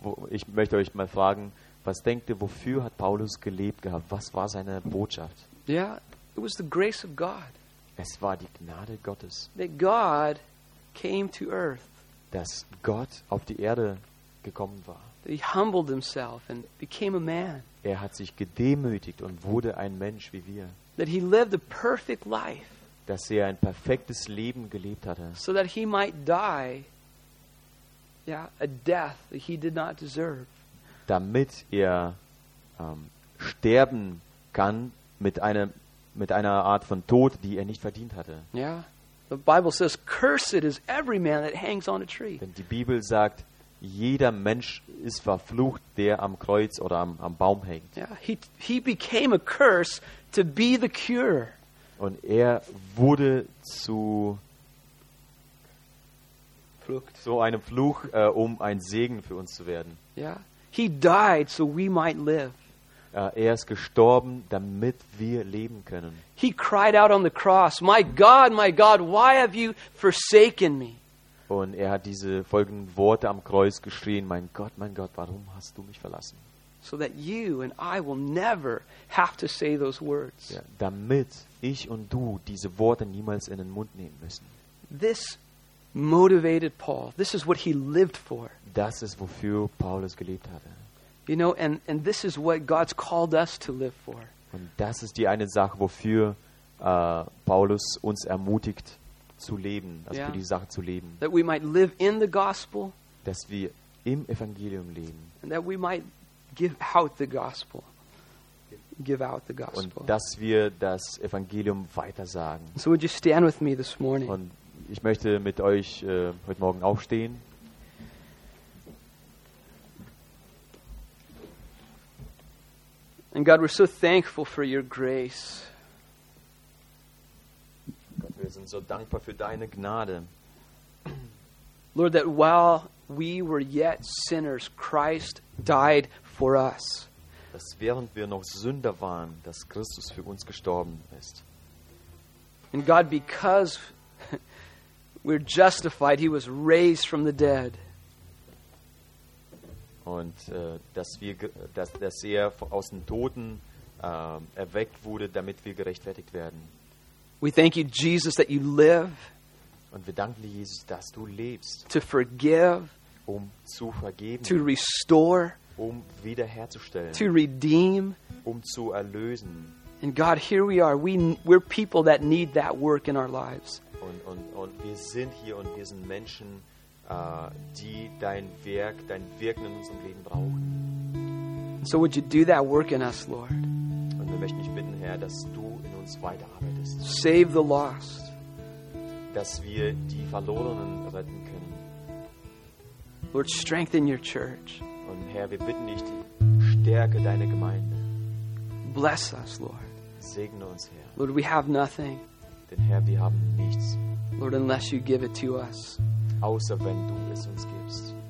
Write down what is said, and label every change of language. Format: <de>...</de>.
<de>Ich möchte euch mal fragen, was denkt ihr, wofür hat Paulus gelebt gehabt? Was war seine Botschaft?</de> <en>Yeah, it was the grace of God.</en> <de>Es war die Gnade Gottes.</de> <en>That God came to earth.</en> <de>Dass Gott auf die Erde gekommen war.</de> <en>That he humbled himself and became a man.</en> <de>Er hat sich gedemütigt und wurde ein Mensch wie wir.</de> <en>That he lived a perfect life.</en> <de>Dass er ein perfektes Leben gelebt hatte.</de> <en>So that he might die, yeah, a death that he did not deserve.</en> <de>Damit er sterben kann. Mit einer Art von Tod, die er nicht verdient hatte.</de> <en>Yeah. The Bible says, cursed is every man that hangs on a tree.</en> <de>Denn die Bibel sagt, jeder Mensch ist verflucht, der am Kreuz oder am Baum hängt.</de> <en>Yeah. He became a curse to be the cure.</en> <de>Und er wurde zu Fluch. So einem Fluch, um ein Segen für uns zu werden.</de> <en>Yeah. He died so we might live.</en> <de>Er ist gestorben, damit wir leben können.</de> <en>He cried out on the cross, my God, why have you forsaken me?</en> <de>Und er hat diese folgenden Worte am Kreuz geschrien, mein Gott, warum hast du mich verlassen?</de> <en>So that you and I will never have to say those words.</en> <de>Ja, damit ich und du diese Worte niemals in den Mund nehmen müssen.</de> <en>This motivated Paul. This is what he lived for.</en> <de>Das ist, wofür Paulus gelebt hatte.</de> <en>You know, and this is what God's called us to live for.</en> <de>Und das ist die eine Sache, wofür Paulus uns ermutigt zu leben, also yeah, für die Sache zu leben.</de> <en>That we might live in the gospel.</en> <de>Dass wir im Evangelium leben.</de> <en>And that we might give out the gospel. Give out the gospel.</en> <de>Und dass wir das Evangelium weitersagen.</de> <en>So would you stand with me this morning?</en> <de>Und ich möchte mit euch heute Morgen aufstehen.</de> <en>And God, we're so thankful for your grace.</en> <de>Gott, wir sind so dankbar für deine Gnade.</de> <en>Lord, that while we were yet sinners, Christ died for us.</en> <de>Dass während wir noch Sünder waren, dass Christus für uns gestorben ist.</de> <en>And God, because we're justified, he was raised from the dead.</en> <de>Und dass er aus den Toten erweckt wurde, damit wir gerechtfertigt werden.</de> <en>We thank you, Jesus, that you live.</en> <de>Und wir danken dir, Jesus, dass du lebst.</de> <en>To forgive.</en> <de>Um zu vergeben.</de> <en>To restore.</en> <de>Um wiederherzustellen.</de> <en>To redeem.</en> <de>Um zu erlösen.</de> <en>And God, here we are. We're people that need that work in our lives.</en> <de>Und wir sind hier und wir sind Menschen, die dein Wirken in unserem Leben brauchen.</de> <en>So would you do that work in us, Lord?</en> <de>Und wir möchten dich bitten, Herr, dass du in uns weiterarbeitest.</de> <en>Save the lost.</en> <de>Dass wir die Verlorenen retten können.</de> <en>Lord, strengthen your church.</en> <de>Und Herr, wir bitten dich, stärke deine Gemeinde.</de> <en>Bless us, Lord.</en> <de>Segne uns, Herr.</de> <en>Lord, we have nothing.</en> <de>Denn Herr, wir haben nichts.</de> <en>Lord, unless you give it to us.</en> <de>Außer wenn du es uns gibst.</de>